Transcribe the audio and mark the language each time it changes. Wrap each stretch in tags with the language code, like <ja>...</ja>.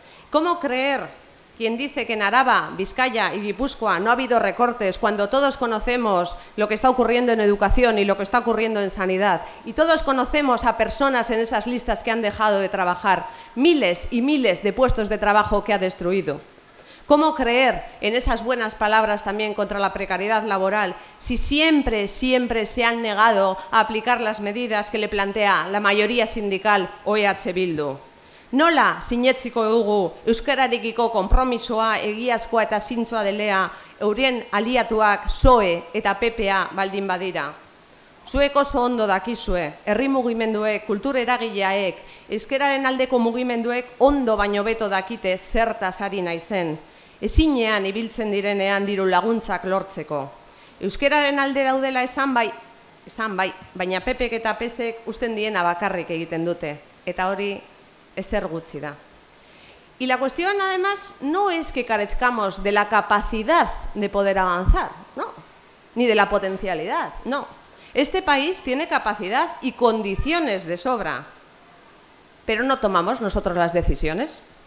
<es>¿Cómo creer quien dice que en Araba, Vizcaya y Gipuzkoa no ha habido recortes, cuando todos conocemos lo que está ocurriendo en educación y lo que está ocurriendo en sanidad, y todos conocemos a personas en esas listas que han dejado de trabajar, miles y miles de puestos de trabajo que ha destruido? ¿Cómo creer en esas buenas palabras también contra la precariedad laboral si siempre, siempre se han negado a aplicar las medidas que le plantea la mayoría sindical o EH Bildu?</es> <eu>Nola sinetziko dugu euskararekiko konpromisoa egiazkoa eta zintzoa delea euren aliatuak PSOE eta PPA baldin badira. Zuek oso ondo dakizue, herri mugimenduek, kultur eragileek, euskararen aldeko mugimenduek ondo baino beto dakite zertaz ari naizen, ezinean ibiltzen direnean diru laguntzak lortzeko. Euskararen alde daudela esan bai, baina PPek eta PSek usten diena bakarrik egiten dute, eta hori ezer gutxi da.</eu> <es>Y la cuestión además no es que carezcamos de la capacidad de poder avanzar, no, ni de la potencialidad, no. Este país tiene capacidad y condiciones de sobra, pero no tomamos nosotros las decisiones.</es>